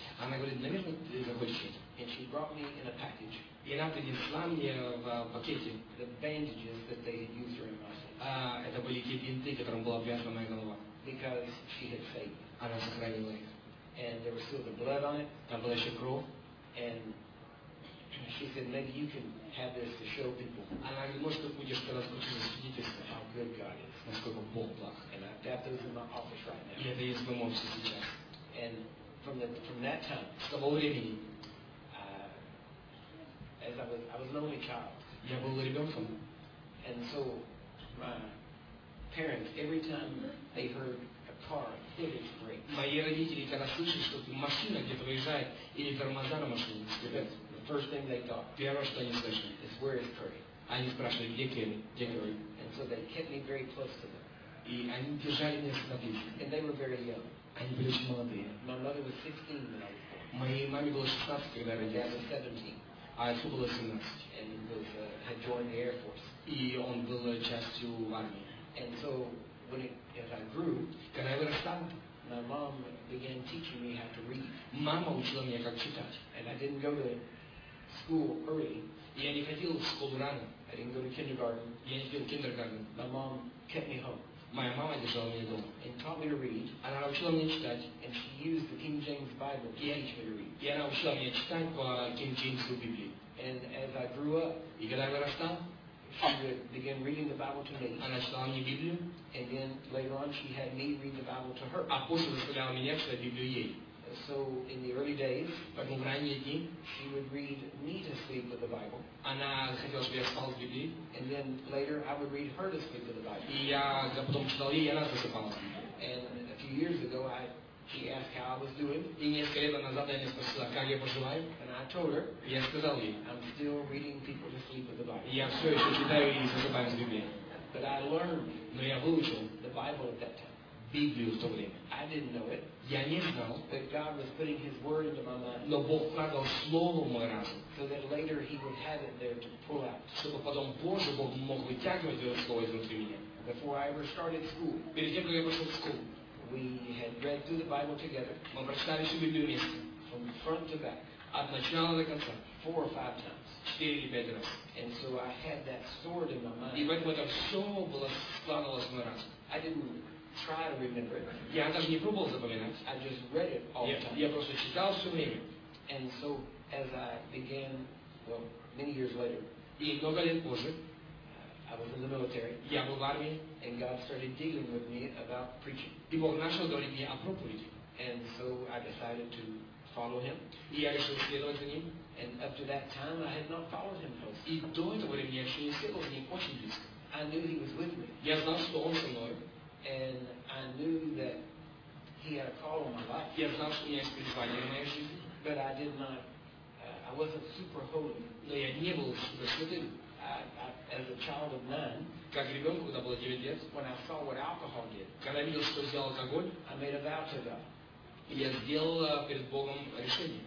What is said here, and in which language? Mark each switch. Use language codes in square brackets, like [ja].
[ru] Она говорит, наверное, ты захочешь это. И она принесла мне в пакете. [en] The bandages that they had used during my surgery. [ru] Это были те бинты, которым была обвязана моя голова. [en] Because she had faith. [ru] Она сохранила их. [en] And there was still the blood on it. [ru] Там была еще кровь. [en] And she said, maybe you can have this to show people. [ru] Она говорит, может, ты будешь когда случится свидетельство, [en] how good God is. [ru] Насколько Бог благ. [en] And I've got those in my office right now. [ru] И это есть в моем офисе сейчас. [en] And from that time, [ru] с того времени, [en] as I was an only child. [ru] Я был ребенком. [en] And so my parents, every time they heard a car hit its brakes. [ru] Мои родители, когда слышали, что машина где-то выезжает или тормоза на машине скрипят. [en] First thing they thought. [ru] Первое, что они слышали, [en] is where is Curry? [ru] Они спрашивали, где Керри? Где Керри? [en] And so they kept me very close to them. [ru] И они держали меня всегда близко. [en] And they were very young. [ru] Они были очень молодые. [en] My mother was 16 when I was born. [ru] Моей маме было 16, когда родился. [en] Dad was 17. [ru] А отцу было 17. [en] And he was had joined the Air Force. [ru] И он был частью армии. [en] And so as I grew, [ru] когда я вырастал, [en] my mom began teaching me how to read. [ru] Мама учила меня как читать. [en] And I didn't go to school early. [ru] Я не ходил в школу рано. [en] I didn't go to kindergarten. [ru] Я не ходил в kindergarten. [en] My mom kept me home. [ru] Моя мама держала меня дома. [en] And taught me to read. [ru] Она научила меня читать. [en] And she used the King James Bible to teach me to read. [ru] И она учила меня читать по King James Библии. [en] And as I grew up, [ru] и когда я вырастал, [en] she would begin reading the Bible to me. [ru] Она читала мне Библию. [en] And then later on, she had me read the Bible to her. [ru] А позже заставляла меня читать Библию ей. [en] So in the early days, [ru] в ранние дни, [en] she would read me to sleep with the Bible. [ru] Она хотела, чтобы я спал с Библией. [en] And then later, I would read her to sleep with the Bible. [ru] И я потом читал ей, и она засыпала с Библией. [en] And a few years ago, she asked how I was doing. [ru] И несколько лет назад она спросила, как я поживаю. [en] And I told her. [ru] Я сказал ей. [en] I'm still reading people to sleep with the Bible. [ru] Я все еще читаю и засыпаю с Библией. [en] But I learned. [ru] Но я выучил [en] the Bible at that time. [ru] Библию в то время. [en] I didn't know it. [ru] Я не знал. [en] But God was putting His word into my mind. [ru] Но Бог вкладывал слово в мой разум. [en] So that later He would have it there to pull out. [ru] Чтобы потом позже Бог мог вытягивать это слово изнутри меня. [en] Before I ever started school. [ru] Перед тем как я пошел в школу. [en] We had read through the Bible together. [ru] Мы прочитали всю Библию вместе. [en] From front to back. [ru] От начала до конца. [en] 4 or 5 times. [ru] 4 или 5 раз. [en] And so I had that stored in my mind. [ru] И поэтому это все было складывалось в мой разум. [en] I didn't try to remember it. [ru] Я даже не пробовал запоминать. [en] I just read it all the time. [ru] Я просто читал все время. [en] And so as I began, well, many years later. [ru] И много лет позже. [en] I was in the military. [ru] Я был в армии. [en] And God started dealing with me about preaching. [ru] И Бог начал говорить мне о проповеди. [en] And so I decided to follow him. [ru] И я решил следовать за ним. [en] And up to that time I had not followed him closely. [ru] И до этого времени я ещё не следовал за ним очень близко. [en] I knew he was with me. [ru] Я знал, что он со мной. [en] And I knew that he had a call on my life. [ru] Я знал, что у меня есть призвание в моей жизни. [en] But I did not. I wasn't super holy. [ru] Но я не был супер святым. [en] As a child of nine, [ru] как ребенку, когда было 9 лет, [en] when I saw what alcohol did, [ru] когда я видел, что сделал алкоголь, [en] I made a vow to God. [ru] И я сделал перед Богом решение,